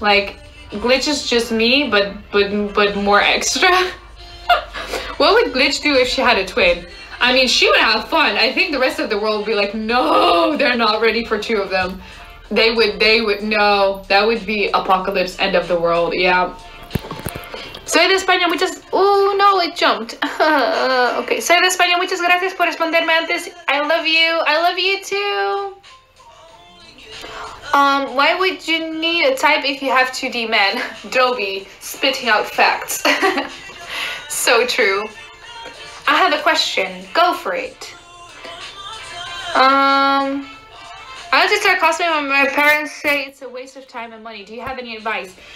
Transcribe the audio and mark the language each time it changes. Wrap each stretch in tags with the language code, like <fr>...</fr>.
<en>Like, Glitch is just me, but more extra. What would Glitch do if she had a twin? I mean, she would have fun. I think the rest of the world would be like, no, they're not ready for two of them. They would, no. That would be apocalypse, end of the world, yeah.</en> <es>Soy de España, muchas...</es> <en>Oh, no, it jumped.</en> <es>Okay, soy de España, muchas gracias por responderme antes.</es> <en>I love you too. Why would you need a type if you have 2D men? Dobby, spitting out facts. So true. I have a question. Go for it. I want to start cosplaying when my parents say it's a waste of time and money. Do you have any advice?</en>